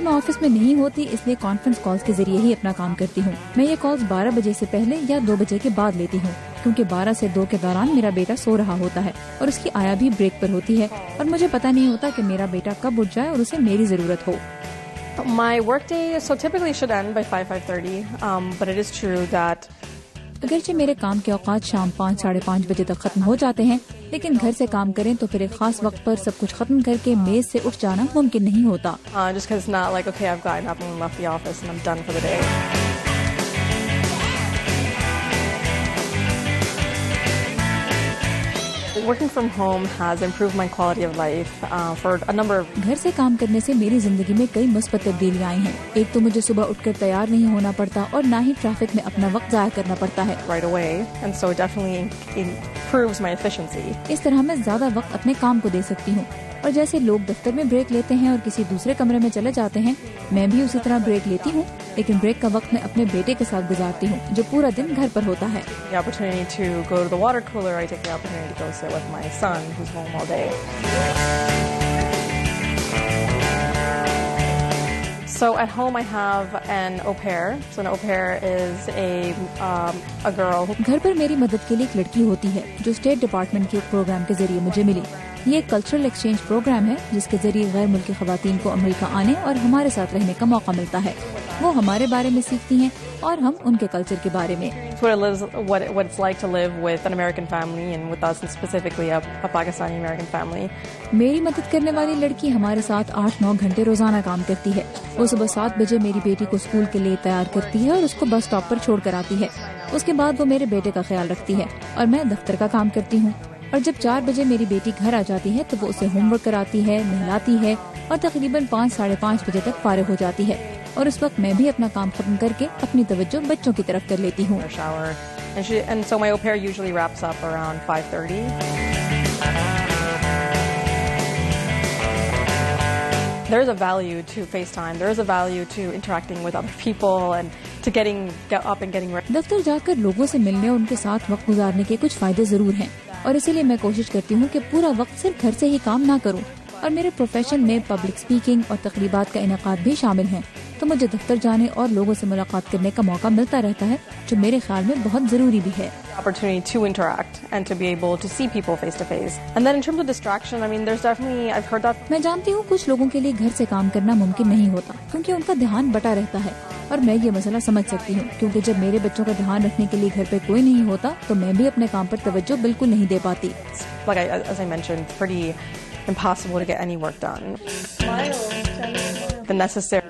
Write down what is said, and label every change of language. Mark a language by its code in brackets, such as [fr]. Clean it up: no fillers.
[ur] میں آفس میں نہیں ہوتی، اس لیے کانفرنس کالز کے ذریعے ہی اپنا کام کرتی ہوں۔ میں یہ کالز 12 بجے سے پہلے یا 2 بجے کے بعد لیتی ہوں کیونکہ 12 سے 2 کے دوران میرا بیٹا سو رہا ہوتا ہے اور اس کی آیا بھی بریک پر ہوتی ہے، اور مجھے پتہ نہیں ہوتا کہ میرا بیٹا کب اٹھ جائے اور اسے میری ضرورت ہو۔ [en] My work day so typically should end by 5:30 but it is true that [ur] اگرچہ میرے کام کے اوقات شام 5:30 تک ختم ہو جاتے ہیں، لیکن گھر سے کام کریں تو پھر ایک خاص وقت پر سب کچھ ختم کر کے میز سے اٹھ جانا ممکن نہیں ہوتا۔ [en] Working from home has improved my quality of life for a number of [ur] گھر سے کام کرنے سے میری زندگی میں کئی مثبت تبدیلیاں آئی ہیں۔ ایک تو مجھے صبح اٹھ کر تیار نہیں ہونا پڑتا اور نہ ہی ٹریفک میں اپنا وقت ضائع کرنا پڑتا ہے [en] right away, and so definitely improves my efficiency. [ur] اس طرح میں زیادہ وقت اپنے کام کو دے سکتی ہوں، اور جیسے لوگ دفتر میں بریک لیتے ہیں اور کسی دوسرے کمرے میں چلے جاتے ہیں، میں بھی اسی طرح بریک لیتی ہوں، لیکن بریک کا وقت میں اپنے بیٹے کے ساتھ گزارتی ہوں جو پورا دن گھر پر ہوتا ہے۔ [en] So at home I have an au pair. So an au pair is a girl. [ur] گھر پر میری مدد کے لیے ایک لڑکی ہوتی ہے جو اسٹیٹ ڈپارٹمنٹ کے ایک پروگرام کے ذریعے مجھے ملی۔ یہ ایک کلچرل ایکسچینج پروگرام ہے جس کے ذریعے غیر ملکی خواتین کو امریکہ آنے اور ہمارے ساتھ رہنے کا موقع ملتا ہے۔ وہ ہمارے بارے میں سیکھتی ہیں اور ہم ان کے کلچر کے بارے میں۔ [en] What it's like to live with an American family and with us specifically a Pakistani American family. [ur] میری مدد کرنے والی لڑکی ہمارے ساتھ 8-9 گھنٹے روزانہ کام کرتی ہے۔ وہ صبح 7 بجے میری بیٹی کو اسکول کے لیے تیار کرتی ہے اور اس کو بس اسٹاپ پر چھوڑ کر آتی ہے۔ اس کے بعد وہ میرے بیٹے کا خیال رکھتی ہے اور میں دفتر کا کام کرتی ہوں، اور جب 4 بجے میری بیٹی گھر آ جاتی ہے تو وہ اسے ہوم ورک کراتی ہے، نہلاتی ہے اور تقریباً 5:30 بجے تک فارغ ہو جاتی ہے، اور اس وقت میں بھی اپنا کام ختم کر کے اپنی توجہ بچوں کی طرف کر لیتی ہوں۔ [en] There is a value to FaceTime. There is a value to interacting with other people and to get up and getting ready. [ur] دفتر جا کر لوگوں سے ملنے اور ان کے ساتھ وقت گزارنے کے کچھ فائدے ضرور ہیں، اور اسی لیے میں کوشش کرتی ہوں کہ پورا وقت صرف گھر سے ہی کام نہ کروں، اور میرے پروفیشن میں پبلک سپیکنگ اور تقریبات کا انعقاد بھی شامل ہیں، تو مجھے دفتر جانے اور لوگوں سے ملاقات کرنے کا موقع ملتا رہتا ہے جو میرے خیال میں بہت ضروری بھی ہے. [en] Opportunity to interact and to be able to see people face to face. And then in terms of distraction, I mean, there's definitely, I've heard that. [ur] میں جانتی ہوں کچھ لوگوں کے لیے گھر سے کام کرنا ممکن نہیں ہوتا کیونکہ ان کا دھیان بٹا رہتا ہے, اور میں یہ مسئلہ سمجھ سکتی ہوں کیونکہ جب میرے بچوں کا دھیان رکھنے کے لیے گھر پہ کوئی نہیں ہوتا تو میں بھی اپنے کام پر توجہ بالکل نہیں دے پاتی. [en] Like as I mentioned, pretty impossible to get any work done. The necessary.